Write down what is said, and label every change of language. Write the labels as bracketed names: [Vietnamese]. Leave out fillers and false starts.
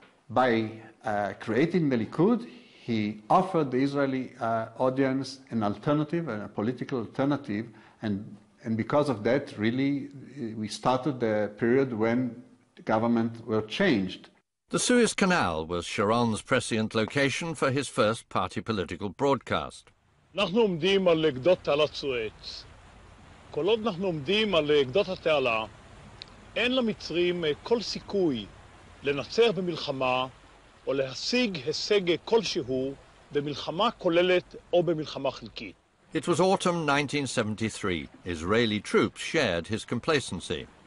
[English] By creating the Likud, he offered the Israeli audience an alternative, a political alternative, and because of that, really, we started the period when the government were changed. The Suez Canal was Sharon's prescient location for his first party political broadcast. [Hebrew] אנחנו עומדים על גדות תעלת סואץ. כל עוד אנחנו עומדים על גדות התעלה, אין למצרים כל סיכוי לנצח במלחמה או להשיג הישג כלשהו במלחמה כוללת או במלחמה חלקית. [English] It was autumn 1973. Israeli troops shared his complacency.